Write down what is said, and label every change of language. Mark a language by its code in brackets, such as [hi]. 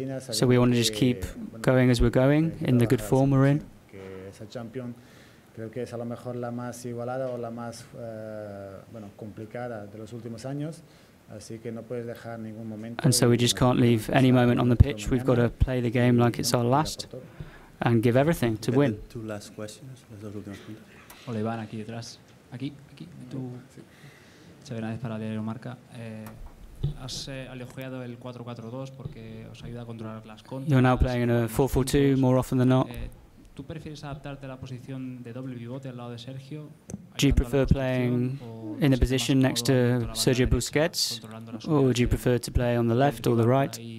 [en] So we want to just keep going as we're going, in the good form we're in. [es] Creo que es a lo mejor la más igualada o la más complicada de los últimos años, así que no puedes dejar ningún momento. [en] And so we just can't leave any moment on the pitch. We've got to play the game like it's our last and give everything to win. Two last questions, [es] las dos últimas preguntas. Hola, Iván, aquí detrás. Aquí, tú. Xavier Nández para Diario Marca. Has elogiado el 4-4-2 porque os ayuda a controlar las contras. [en] You're now playing in a 4-4-2 more often than not. [es] ¿Tú prefieres adaptarte a la posición de doble pivote al lado de Sergio? [en] Do you prefer playing in the position next to Sergio Busquets? Or do you prefer to play on the left or the right?